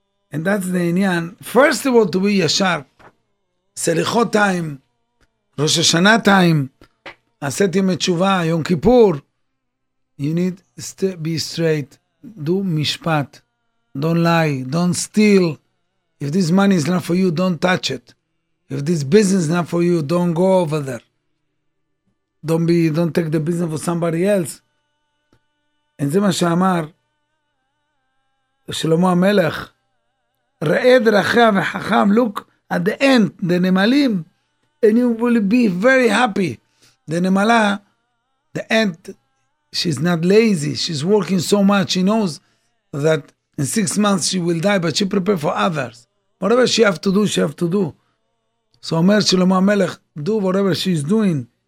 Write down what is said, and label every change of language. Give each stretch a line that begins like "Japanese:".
English: And that's the inyan, first of all, to be yashar, selichot time, Rosh Hashanah time, asetim et tshuva, Yom Kippur. You need to be straight, do mishpat, don't lie, don't steal. If this money is not for you, don't touch it. If this business is not for you, don't go over there. Don't take the business for somebody else. And
Hebrew: זה מה שאמר שלמה המלך, ראה דרכיה וחכם,
English: look at the end, the נמלים, and you will be very happy. The נמלה, the end, she's not lazy, she's working so much, she knows that in 6 months she will die, but she prepared for others. Whatever she have to do, she have to do. So Omer Shlomo HaMelech, do whatever she's doing.